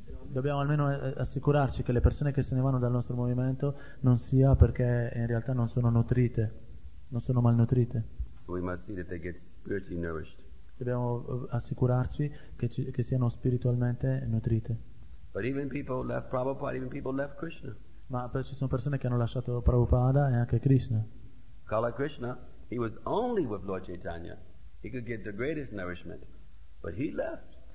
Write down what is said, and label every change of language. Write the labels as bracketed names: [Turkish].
[Italian] Dobbiamo almeno assicurarci che le persone che se ne vanno dal nostro movimento non sia perché in realtà non sono nutrite, non sono malnutrite. [English] We must see that they get spiritually nourished. [Italian] Dobbiamo assicurarci che siano spiritualmente nutrite. [English] But even people left Prabhupada, even people left Krishna. [Italian] Ma ci sono persone che hanno lasciato Prabhupada e anche Krishna. [English] Kala Krishna, he was only with Lord Chaitanya. He could get the greatest nourishment, but he left.